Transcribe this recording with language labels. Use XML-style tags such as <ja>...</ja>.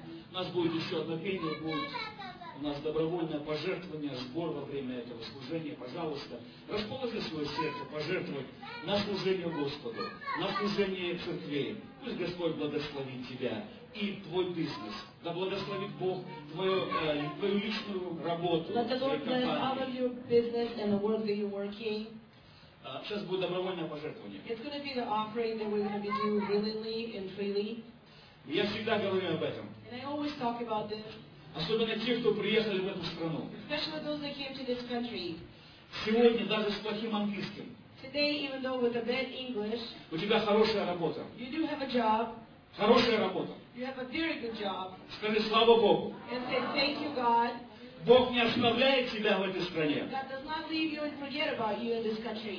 <ru>У нас будет еще одно пение, будет у нас добровольное пожертвование, сбор во время этого служения. Пожалуйста, расположи свое сердце, пожертвуй на служение Господу, на служение церквей. Пусть Господь благословит тебя и твой бизнес. Да благословит Бог твою личную работу.</ru> <en>Let the Lord bless all of your business and the work that you're working.</en> <ru>Сейчас будет добровольное пожертвование.</ru> <en>It's going to be the offering that we're going to be doing willingly and freely.</en> <ru>Я всегда говорю об этом.</ru> <en>And I always talk about this.</en> <ru>Особенно те, кто приехали в эту страну.</ru> <en>Especially those that came to this country.</en> <ru>Сегодня даже с плохим английским.</ru> <en>Today, even though with a bad English.</en> <ru>У тебя хорошая работа.</ru> <en>You do have a job.</en> <ru>Хорошая работа.</ru> <en>You have a very good job.</en> <ru>Скажи слава Богу.</ru> <en>And say thank you, God.</en> <ru>Бог не оставляет тебя в этой стране.</ru> <en>God does not leave you and forget about you in this country.</en>